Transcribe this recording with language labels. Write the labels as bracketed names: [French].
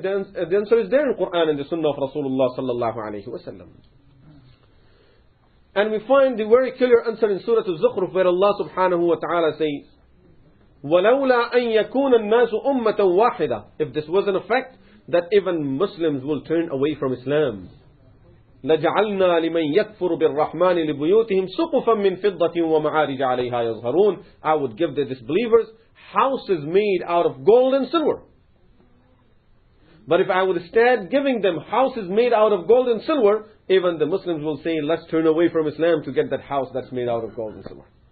[English] The answer is there in Quran and the Sunnah of Rasulullah sallallahu alayhi wa sallam. And we find the very clear answer in Surah Al-Zukhruf, where Allah subhanahu wa ta'ala says, [Arabic] وَلَوْلَا أَن يَكُونَ النَّاسُ أُمَّةً وَاحِدَةً. [English] If this wasn't a fact, that even Muslims will turn away from Islam. [Arabic] لجعلنا لمن يكفر بالرحمن لبيوتهم سقفا من فضة ومعارج عليها يظهرون. [English] I would give the disbelievers houses made out of gold and silver. But if I would start giving them houses made out of gold and silver, even the Muslims will say, let's turn away from Islam to get that house that's made out of gold and silver.